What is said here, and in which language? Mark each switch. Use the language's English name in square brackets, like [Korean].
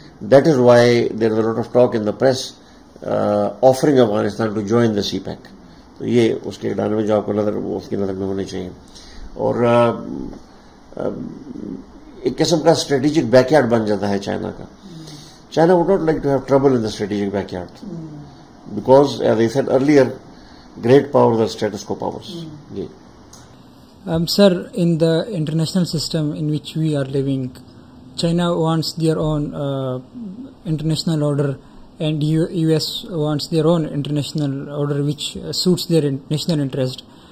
[English] That is why there is a lot of talk in the press offering Afghanistan to join the CPEC. [Urdu] تو یہ اس کے اڈانے میں جو آپ کو نظر اس کی نظر میں ہونے چاہیے, اور ایک قسم کا اسٹریٹجک بیک یارڈ بن جاتا ہے چائنا کا. [English] China would not like to have trouble in the strategic backyard, because as I said earlier great power the status quo powers. [Urdu] جی [English] Sir, in the international system in which we are living, China wants their own international order, and U S wants their own international order which suits their national interest.